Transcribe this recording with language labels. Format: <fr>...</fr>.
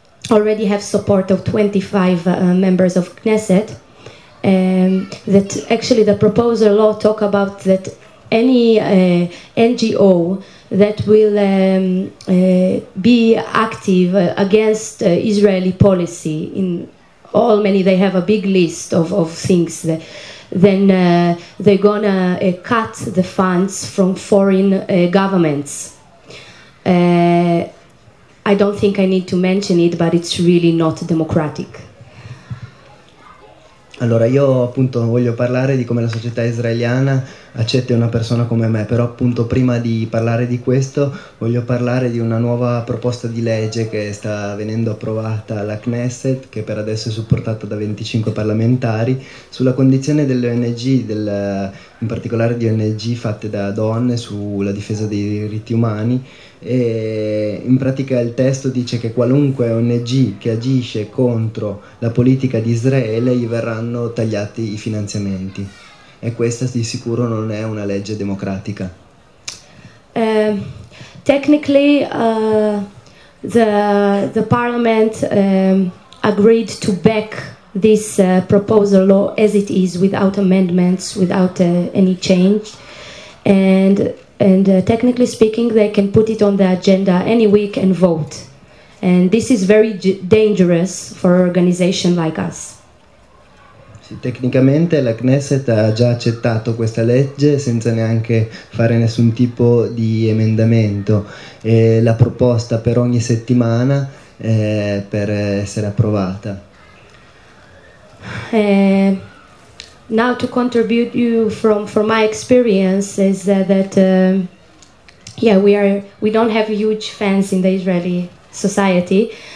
<en>already have support of 25 members of Knesset, that actually the proposal law talk about that any NGO that will be active against Israeli policy in all many, they have a big list of things that, then they're gonna cut the funds from foreign governments. I don't think I need to mention it, but it's really not democratic.</en> <it>Allora, io appunto voglio parlare di come la società israeliana accetti una persona come me, però appunto prima di parlare di questo voglio parlare di una nuova proposta di legge che sta venendo approvata alla Knesset, che per adesso è supportata da 25 parlamentari, sulla condizione delle ONG, in particolare di ONG fatte da donne sulla difesa dei diritti umani. E in pratica il testo dice che qualunque ONG che agisce contro la politica di Israele gli verranno tagliati i finanziamenti, e questa di sicuro non è una legge democratica.</it> <en>Technically the parliament agreed to back this proposal law as it is, without amendments, without any change, and technically speaking they can put it on the agenda any week and vote, and this is very dangerous for an organization like us.</en> <it>Sì, tecnicamente la Knesset ha già accettato questa legge senza neanche fare nessun tipo di emendamento, e la proposta per ogni settimana per essere approvata.</it> <en>Now to contribute you from my experience is that we don't have huge fans in the Israeli society.</en>